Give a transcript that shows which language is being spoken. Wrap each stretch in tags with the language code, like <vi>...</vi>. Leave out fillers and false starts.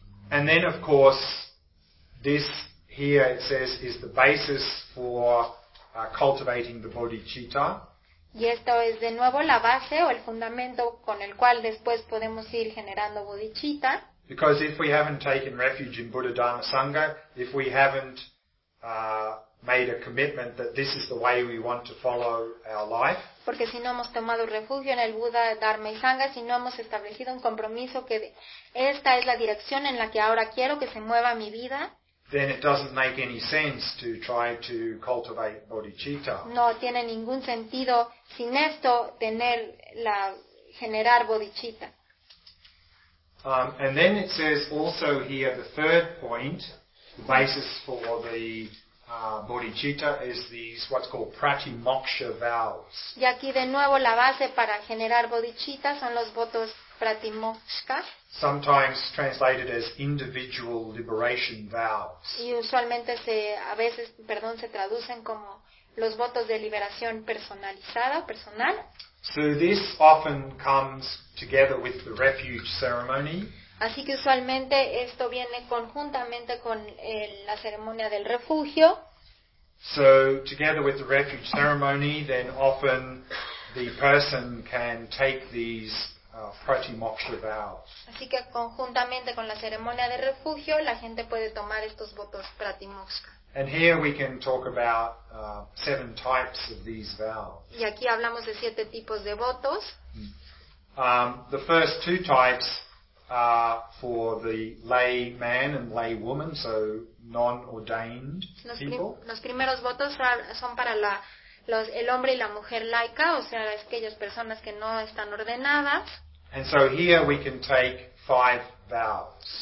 <en>And then, of course, this here it says is the basis for cultivating the bodhicitta.</en> <es>Y esto es de nuevo la base o el fundamento con el cual después podemos ir generando bodhicitta.</es> <en>Because if we haven't taken refuge in Buddha Dharma Sangha, if we haven't made a commitment that this is the way we want to follow our life.</en> <es>Porque si no hemos tomado refugio en el Buda, Dharma y Sangha, si no hemos establecido un compromiso que esta es la dirección en la que ahora quiero que se mueva mi vida,</es> <en>then it doesn't make any sense to try to cultivate bodhicitta.</en> <es>No tiene ningún sentido sin esto tener la generar bodhicitta.</es> <en>And then it says also here the third point, the basis for the bodhicitta is these what's called pratimoksha vows.</en> <es>Y aquí de nuevo la base para generar bodhicitta son los votos pratimoksha.</es> <en>Sometimes translated as individual liberation vows.</en> <es>Y usualmente se traducen como los votos de liberación personalizada, personal.</es> <en>So this often comes together with the refuge ceremony.</en> <es>Así que usualmente esto viene conjuntamente con la ceremonia del refugio.</es> <en>So, together with the refuge ceremony, then often the person can take these pratimoksha vows.</en> <es>Así que conjuntamente con la ceremonia de refugio, la gente puede tomar estos votos pratimoksha.</es> <en>And here we can talk about seven types of these vows.</en> <es>Y aquí hablamos de siete tipos de votos.</es> <en>The first two types for the lay man and lay woman, so non-ordained people.</en> <es>Los primeros votos son para el hombre y la mujer laica, o sea, aquellas personas que no están ordenadas.</es> <en>And so here we can take five vows.</en>